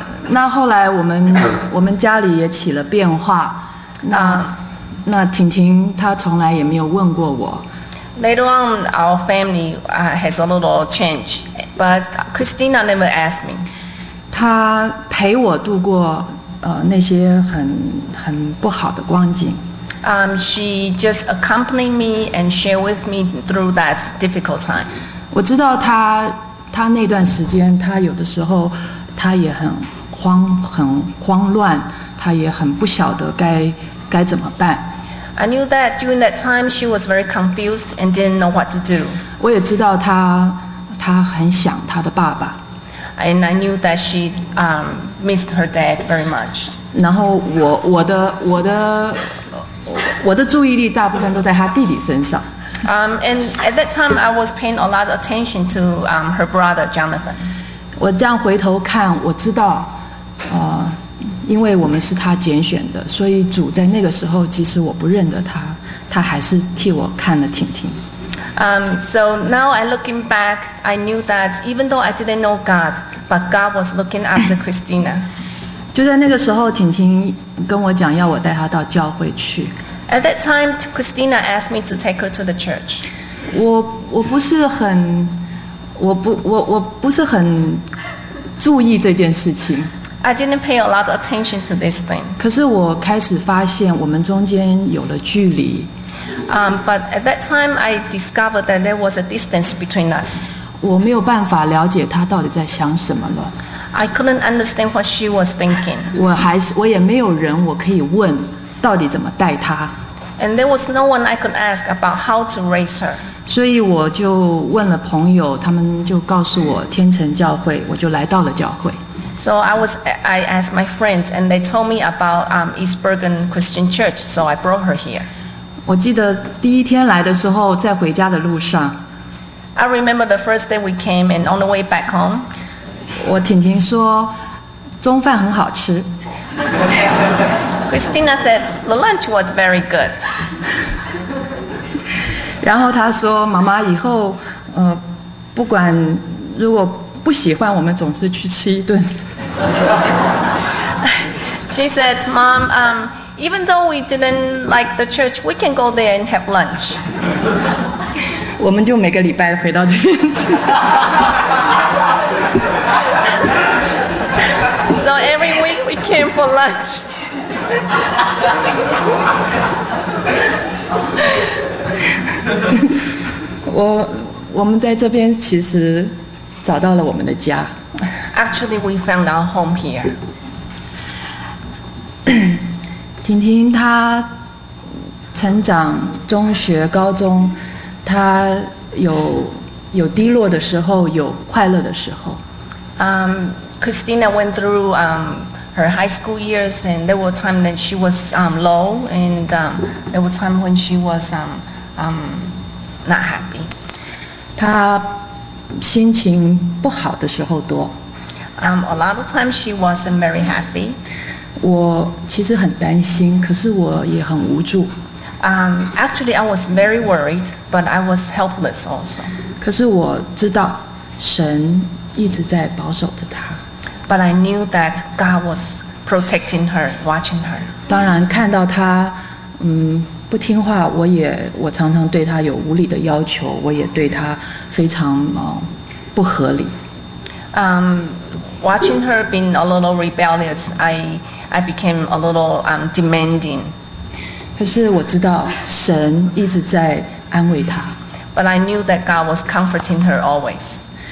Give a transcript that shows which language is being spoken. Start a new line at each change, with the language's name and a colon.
Chinese: 那后来我们家里也起了变化，那婷婷她从来也没有问过我。
English: Later on, our family has a little change, but Christina never asked me.
Chinese: 她陪我度过那些很不好的光景。
English: She just accompanied me and shared with me through that difficult time.
Chinese: 我知道她那段时间，她有的时候。他也很慌乱，他也很不晓得该怎么办。
English: I knew that during that time she was very confused and didn't know what to do.
Chinese: 我也知道他很想他的爸爸。
English: And I knew that she missed her dad very much.
Chinese: 然后我的注意力大部分都在他弟弟身上。
English: And at that time I was paying a lot of attention to her brother Jonathan.
Chinese: 我这样回头看，我知道，因为我们是他拣选的，所以主在那个时候，即使我不认得他，他还是替我看了婷婷。
English: So now I looking back, I knew that even though I didn't know God, but God was looking after Christina.
Chinese: 就在那个时候，婷婷跟我讲要我带她到教会去。
English: At that time, Christina asked me to take her to the church.
Chinese: 我不是很。我不是很注意这件事情。
English: I didn't pay a lot of attention to this thing.
Chinese: 可是我开始发现我们中间有了距离。
English: But at that time I discovered that there was a distance between us.
Chinese: 我没有办法了解她到底在想什么了。
English: I couldn't understand what she was thinking.
Chinese: 我也没有人我可以问到底怎么带她。
English: And there was no one I could ask about how to raise her.
Chinese: 所以我就问了朋友，他们就告诉我天成教会，我就来到了教会。
English: So I asked my friends, and they told me about East Bergen Christian Church. So I brought her here.
Chinese: 我记得第一天来的时候，在回家的路上。
English: I remember the first day we came, and on the way back home.
Chinese: 我婷婷说，中饭很好吃。
English: Christina said the lunch was very good.
Chinese: 然后他说：“妈妈，以后，不管如果不喜欢，我们总是去吃一顿。
English: ”She said, "Mom, even though we didn't like the church, we can go there and have lunch."
Chinese: 我们就每个礼拜回到这边去。
English: So every week we came for lunch. We
Chinese: 在这边其实找到了我们的家。
English: Actually, we found our home here.
Chinese: 婷婷她成长中学高中，她有低落的时候，有快乐的时候。
English: Christina went through her high school years, and there were times that she was low, and there were times when she was not happy.
Chinese: 她心情不好的时候多。
English: A lot of times she wasn't very happy.
Chinese: 我其实很担心，可是我也很无助。
English: Actually, I was very worried, but I was helpless also.
Chinese: 可是我知道神一直在保守着她。
English: But I knew that God was protecting her, watching her.
Chinese: 当然看到她不听话，我常常对她有无理的要求，我也对她非常不合理。
English: Watching her being a little rebellious, I became a little demanding.
Chinese: 可是我知道神一直在安慰她。
English: But I knew that God was comforting her always.